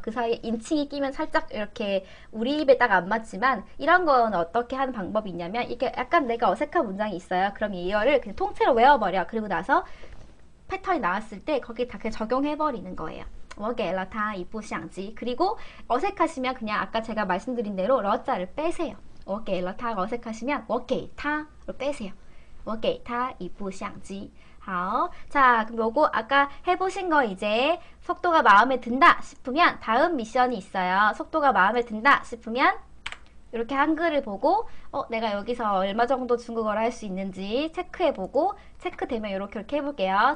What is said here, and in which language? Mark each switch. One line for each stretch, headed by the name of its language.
Korean: 그 사이에 인칭이 끼면 살짝 이렇게 우리 입에 딱안 맞지만 이런 건 어떻게 하는 방법이 있냐면 이게 약간 내가 어색한 문장이 있어요. 그럼 이거를 그냥 통째로 외워버려. 그리고 나서 패턴이 나왔을 때 거기에 다 그냥 적용해버리는 거예요.
Chinese: 我给了他一部相机.
Korean: 그리고 어색하시면 그냥 아까 제가 말씀드린 대로 러자를 빼세요.
Chinese: 我给了他
Korean: 어색하시면
Chinese: 我给他
Korean: 로 빼세요.
Chinese: 我给他一部相机.
Korean: 好, 자, 그럼 요거 아까 해보신 거 이제 속도가 마음에 든다 싶으면 다음 미션이 있어요. 속도가 마음에 든다 싶으면 이렇게 한글을 보고 내가 여기서 얼마 정도 중국어를 할수 있는지 체크해보고 체크되면 이렇게 해볼게요.